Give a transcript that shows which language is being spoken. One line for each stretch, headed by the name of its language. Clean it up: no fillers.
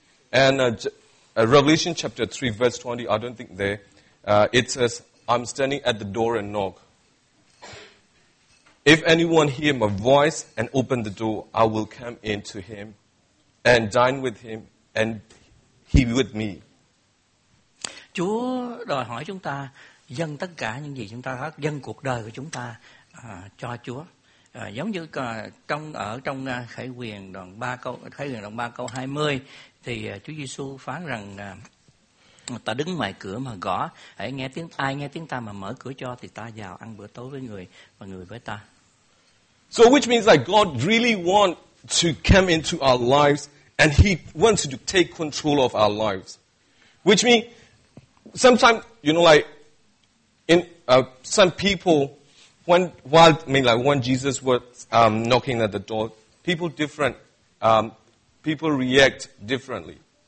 English: And Revelation chapter 3, verse 20, I don't think there, it says, I'm standing at the door and knock. If anyone hear my voice and open the door, I will come in to him and dine with him and he with me.
Vietnamese: Chúa đòi hỏi chúng ta dâng tất cả những gì chúng ta có, dâng cuộc đời của chúng ta cho Chúa. Giống như trong Khải Huyền đoạn 3 câu, Khải Huyền đoạn 3 câu 20 thì Chúa Giêsu phán rằng ta đứng ngoài cửa mà gõ, hãy nghe tiếng ai nghe tiếng ta mà mở cửa cho thì ta vào ăn bữa tối với người và người với ta.
English: So which means that God really want to come into our lives and he wants to take control of our lives. Which means sometimes, you know, like in some people, when Jesus was knocking at the door, people react differently.